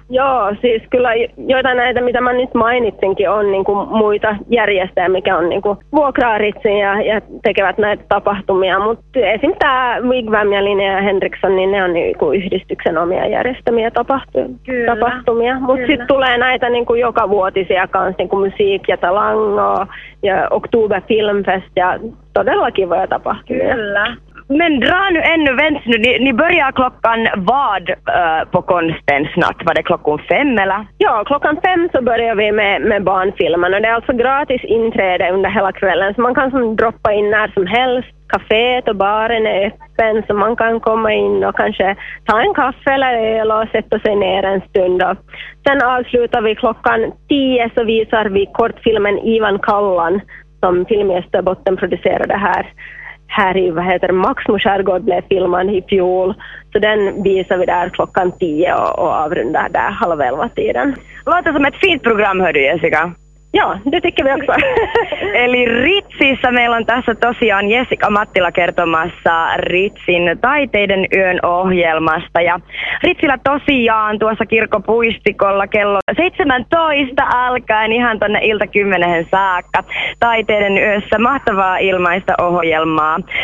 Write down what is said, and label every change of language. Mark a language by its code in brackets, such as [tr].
[fi] Joo, siis kyllä joita näitä, mitä mä nyt mainitsinkin, on niin kuin muita järjestäjä, mikä on niin kuin vuokraa Ritsin ja tekevät näitä tapahtumia. Mutta esim. Tämä Wigwam ja Linnea Henriksson, niin ne on niinku yhdistyksen omia järjestämiä tapahtumia. Mutta sitten tulee näitä niinku jokavuotisia kanssa, niin kuin Musiik ja Talango ja Oktober Filmfest ja todella kivoja tapahtumia. Kyllä. [sv] Men drar nu ännu vänts nu, ni börjar klockan vad på konstens natt? Var det klockan 5 eller? Ja, klockan 5 så börjar vi med barnfilmen och det är alltså gratis inträde under hela kvällen. Så man kan som droppa in när som helst. Caféet och baren är öppen så man kan komma in och kanske ta en kaffe eller öl och sätta sig ner en stund. Och sen avslutar vi klockan 10 så visar vi kortfilmen Ivan Kallan som Film i Österbotten producerade här. Här i, vad heter det, Max Moskärgård blev filmen i fjol. Så den visar vi där klockan 10 och avrundar där 10:30-tiden. Låter som ett fint program, hör du Jessica? Ja, det tycker vi också. [fi] Eli Ritsissä meillä on tässä tosiaan Jessica Mattila kertomassa Ritsin taiteiden yön ohjelmasta. Ja Ritsillä tosiaan tuossa kirkkopuistikolla kello 17 alkaen ihan tuonne ilta 10 saakka taiteiden yössä mahtavaa ilmaista ohjelmaa.